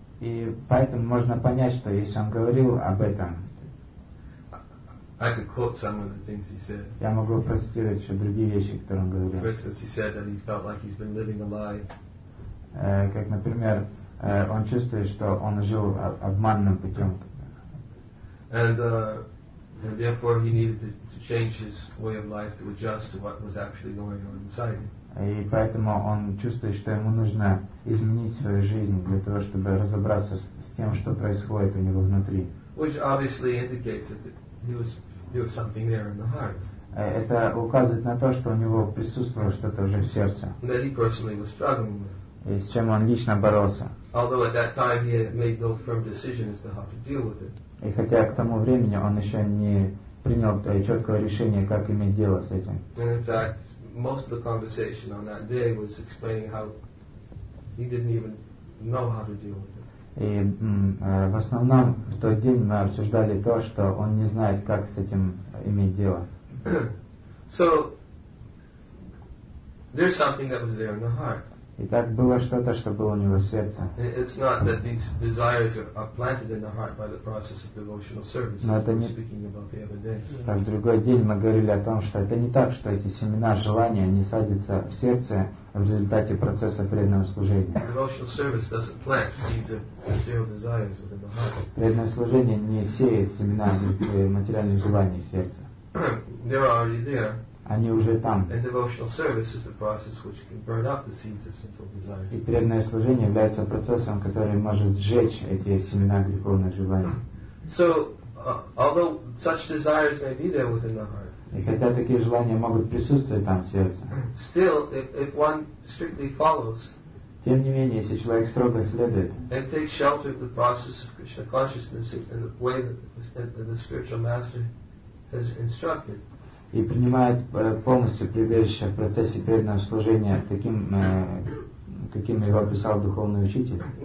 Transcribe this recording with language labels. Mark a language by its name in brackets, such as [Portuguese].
[Russian] И поэтому можно понять, что если он говорил об этом, [English] I could quote some of the things he said. [Russian] Я могу процитировать еще другие вещи, которые он говорил. [English] For instance, he said that he felt like he's been living a lie. [Russian] Как, например, он чувствует, что он жил обманным путем. [English] And therefore he needed to change his way of life to adjust to what was actually going on inside him. [Russian] И поэтому он чувствует, что ему нужно изменить свою жизнь для того, чтобы разобраться с тем, что происходит у него внутри. [English] Which obviously indicates that there was something there in the heart. [Russian] Это указывает на то, что у него присутствовало что-то уже в сердце. [English] That he personally was struggling with. [Russian] И с чем он лично боролся. [English] Although at that time he had made no firm decision as to how to deal with it. [Russian] И хотя к тому времени он еще не принял четкого решения, как иметь дело с этим. [English] Most of the conversation on that day was explaining how he didn't even know how to deal with it. [Russian] И в основном в тот день мы обсуждали то, что он не знает, как с этим иметь дело. [English] So there's something that was there in the heart. [Russian] И так было что-то, что было у него в сердце. [English] It's not that these desires are planted in the heart by the process of devotional service. [Russian] Но это не [English] speaking about the other day. [Russian] Так, в другой день мы говорили о том, что это не так, что эти семена желания не садятся в сердце в результате процесса преданного служения. [English] Devotional service doesn't plant seeds of material desires within the heart. [Russian] Преданное служение не сеет семена материальных желаний в сердце. [English] They're already there. [Russian] Они уже там. [English] And devotional service is the process which can burn up the seeds of sinful desires. [Russian] И преданное служение является процессом, который может сжечь эти семена греховных желаний. [English] So, although such desires may be there within the heart. [Russian] И хотя такие желания могут присутствовать там в сердце. [English] Still, if one strictly follows. [Russian] Тем не менее, если человек строго следует. [English] And takes shelter of the process of Krishna consciousness in the way that the spiritual master has instructed. [Russian] И принимает полностью прибежище в процессе преданного служения таким, каким его описал духовный учитель.